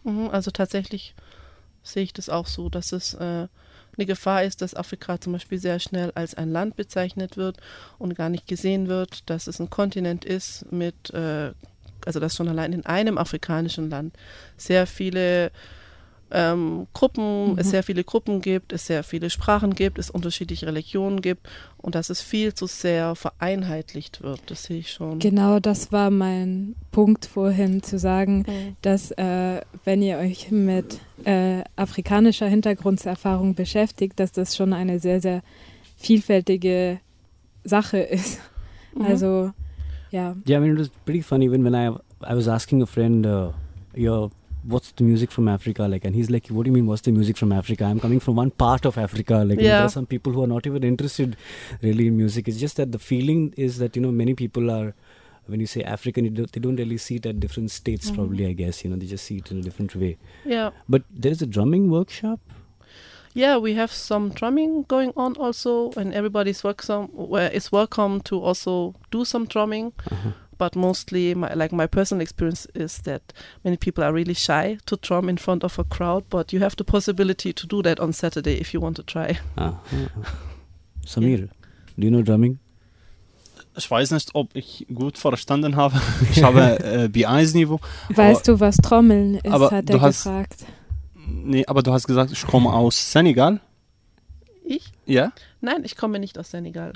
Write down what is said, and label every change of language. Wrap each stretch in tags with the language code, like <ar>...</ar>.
<de>Also tatsächlich sehe ich das auch so, dass es eine Gefahr ist, dass Afrika zum Beispiel sehr schnell als ein Land bezeichnet wird und gar nicht gesehen wird, dass es ein Kontinent ist mit, also dass schon allein in einem afrikanischen Land sehr viele Gruppen, mhm, es sehr viele Gruppen gibt, es sehr viele Sprachen gibt, es unterschiedliche Religionen gibt und dass es viel zu sehr vereinheitlicht wird, das sehe ich schon. Genau, das war mein Punkt vorhin zu sagen, okay, dass wenn ihr euch mit afrikanischer Hintergrundserfahrung beschäftigt, dass das schon eine sehr, sehr vielfältige Sache ist. Mhm. Also, ja.</de> <en>Yeah, I mean, it was pretty funny when I was asking a friend, what's the music from Africa like? And he's like, what do you mean, what's the music from Africa? I'm coming from one part of Africa. Like, yeah, there are some people who are not even interested really in music. It's just that the feeling is that, you know, many people are, when you say African, they don't really see it at different states, mm-hmm, probably, I guess. You know, they just see it in a different way. Yeah. But there is a drumming workshop. Yeah, we have some drumming going on also, and everybody's welcome to also do some drumming. Uh-huh. But mostly, my personal experience is that many people are really shy to drum in front of a crowd. But you have the possibility to do that on Saturday if you want to try. Ah. Samir, yeah, do you know drumming?</en> <de>Ich weiß nicht, ob ich gut verstanden habe. Ich habe B1-Niveau. Weißt du, was Trommeln ist, aber hat er gesagt. Nee, aber du hast gesagt, ich komme aus Senegal. Ich? Ja? Nein, ich komme nicht aus Senegal.</de>